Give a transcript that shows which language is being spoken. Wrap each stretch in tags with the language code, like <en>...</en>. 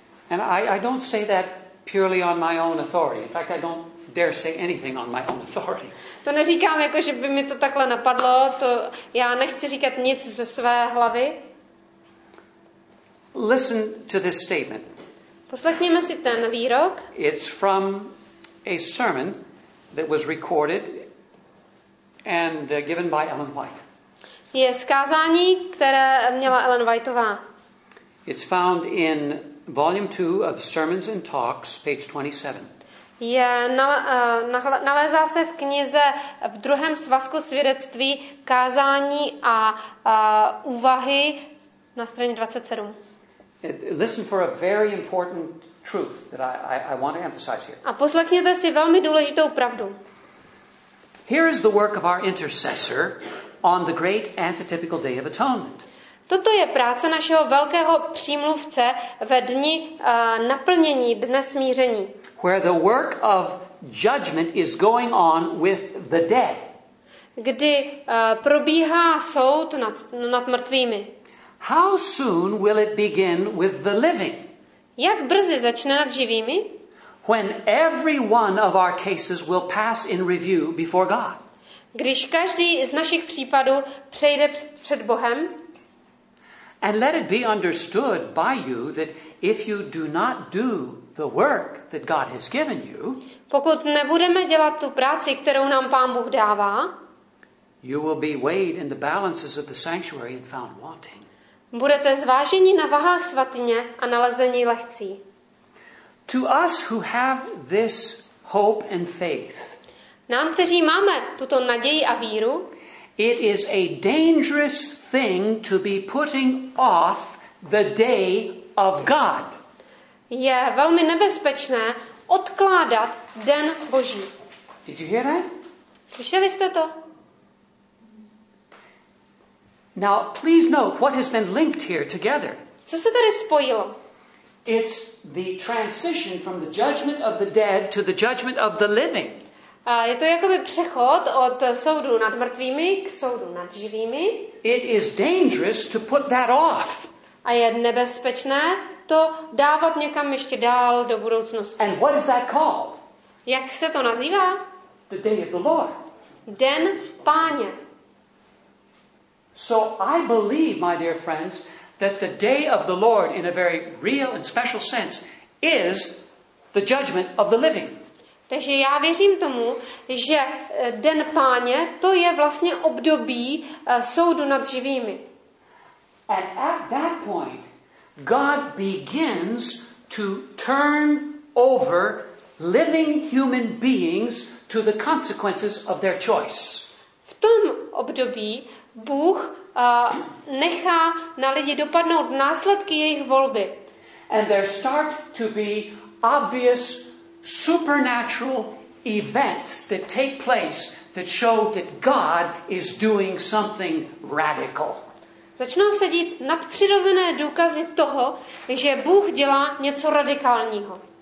<en>And I don't say that purely on my own authority. In fact, I don't dare say anything on my own authority.</en> <cs>To neříkám jako, že by mi to takhle napadlo, to já nechci říkat nic ze své hlavy.</cs> <en>Listen to this statement.</en> <cs>Poslechněme si ten výrok.</cs> <en>It's from a sermon that was recorded and given by Ellen White.</en> <cs>Je z kázání, které měla Ellen Whiteová.</cs> <en>It's found in volume 2 of Sermons and Talks, page 27.</en> <cs>Je nalézá se v knize v druhém svazku svědectví kázání a úvahy na straně 27.</cs> <en>Listen for a very important truth that I want to emphasize here.</en> <cs>A poslechněte si velmi důležitou pravdu.</cs> <en>Here is the work of our intercessor on the great antitypical day of atonement.</en> <cs>Toto je práce našeho velkého přímluvce ve dni naplnění, dne smíření.</cs> <en>Where the work of judgment is going on with the dead.</en> <cs>Kdy probíhá soud nad mrtvými.</cs> <en>How soon will it begin with the living?</en> <cs>Jak brzy začne nad živými?</cs> <en>When every one of our cases will pass in review before God.</en> <cs>Když každý z našich případů přejde před Bohem.</cs> <en>And let it be understood by you that if you do not do the work that God has given you,</en> <cs>pokud nebudeme dělat tu práci, kterou nám Pán Bůh dává,</cs> <en>you will be weighed in the balances of the sanctuary and found wanting.</en> <cs>Budete zváženi na vahách svatyně a nalezeni lehcí.</cs> <en>To us who have this hope and faith,</en> <cs>nám, kteří máme tuto naději a víru,</cs> <en>it is a dangerous thing to be putting off the day of God.</en> <cs>Je velmi nebezpečné odkládat den Boží.</cs> <en>Did you hear that?</en> <cs>Slyšeli jste to?</cs> <en>Now, please note what has been linked here together.</en> <cs>Co se tady spojilo?</cs> <en>It's the transition from the judgment of the dead to the judgment of the living.</en> <cs>Je to jakoby přechod od soudu nad mrtvými k soudu nad živými.</cs> <en>It is dangerous to put that off.</en> <cs>A je nebezpečné to dávat někam ještě dál do budoucnosti.</cs> <en>And what is that called?</en> <cs>Jak se to nazývá?</cs> <en>The day of the Lord.</en> <cs>Den Páně.</cs> <en>So I believe, my dear friends, that the day of the Lord, in a very real and special sense, is the judgment of the living.</en> <cs>Takže já věřím tomu, že den Páně, to je vlastně období soudu nad živými.</cs> <en>And at that point, God begins to turn over living human beings to the consequences of their choice.</en> <cs>V tom období Bůh nechá na lidi dopadnout následky jejich volby.</cs> <en>And there start to be obvious supernatural events that take place that show that God is doing something radical.</en> <cs>Začnou se dít nadpřirozené důkazy toho, že Bůh dělá něco radikálního.</cs>